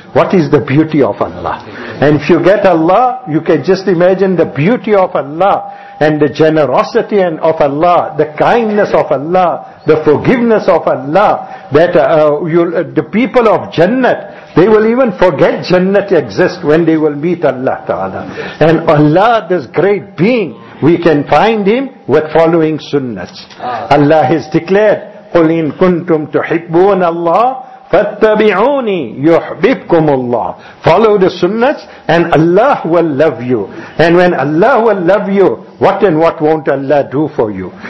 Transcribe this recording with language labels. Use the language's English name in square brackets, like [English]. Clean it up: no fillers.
[English] What is the beauty of Allah? And if you get Allah, you can just imagine the beauty of Allah, and the generosity and of Allah, the kindness of Allah, the forgiveness of Allah, that the people of Jannat, they will even forget Jannat exists when they will meet Allah Ta'ala. And Allah, this great being, we can find him with following sunnahs. Allah has declared, [Arabic] قُلْ إِن كُنْتُمْ تُحِبُّونَ اللَّهِ فَاتَّبِعُونِي يُحْبِبْكُمُ اللَّهِ. [English] Follow the sunnahs and Allah will love you. And when Allah will love you, what and what won't Allah do for you?